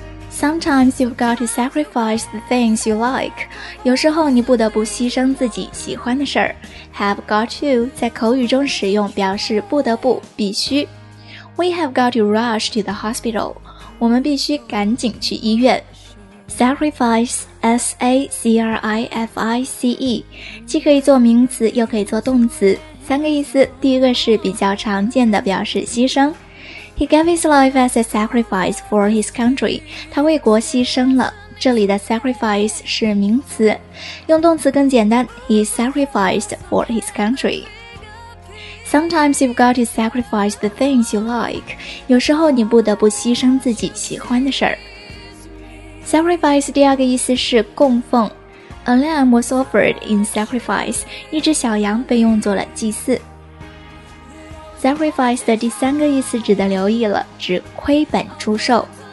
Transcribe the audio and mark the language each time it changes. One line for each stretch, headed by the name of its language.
English: Sometimes you've got to sacrifice the things you like.
Chinese: 有时候你不得不牺牲自己喜欢的事儿。 Have got to 在口语中使用表示不得不、必须。
English: We have got to rush to the hospital.
Chinese: 我们必须赶紧去医院。Sacrifice, S-A-C-R-I-F-I-C-E, 既可以做名词又可以做动词。三个意思，第一个是比较常见的表示牺牲。
English: He gave his life as a sacrifice for his country.
Chinese: 他为国牺牲了。这里的 sacrifice 是名词。用动词更简单，
English: he sacrificed for his country. Sometimes you've got to sacrifice the things you like.
Chinese: 有时候你不得不牺牲自己喜欢的事儿。
English: Sacrifice
Chinese: 第二个意思是供奉。
English: A lamb was offered in sacrifice.
Chinese: 一只小羊被用作了祭祀。 Sacrifice 的第三个意思值得留意了，指亏本出售。